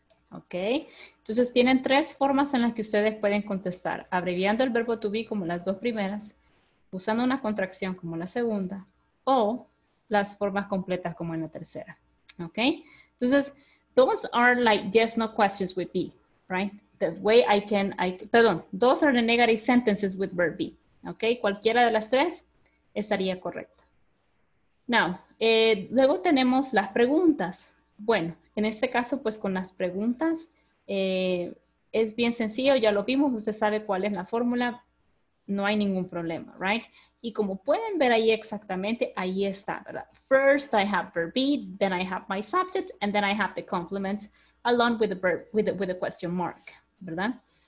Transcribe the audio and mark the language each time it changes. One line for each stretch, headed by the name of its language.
Spanish: Ok, entonces tienen tres formas en las que ustedes pueden contestar, abreviando el verbo to be como las dos primeras, usando una contracción como la segunda, o las formas completas como en la tercera.
English: Ok, entonces, those are like yes, no questions with be, right? The way those are the negative sentences with verb be.
Spanish: Ok, cualquiera de las tres estaría correcta. Now, luego tenemos las preguntas. Bueno, en este caso, pues con las preguntas, es bien sencillo, ya lo vimos, usted sabe cuál es la fórmula, no hay ningún problema, right? Y como pueden ver ahí exactamente, ahí está, ¿verdad?
English: First I have verb be, then I have my subject, and then I have the complement along with the verb, with the question mark, ¿verdad?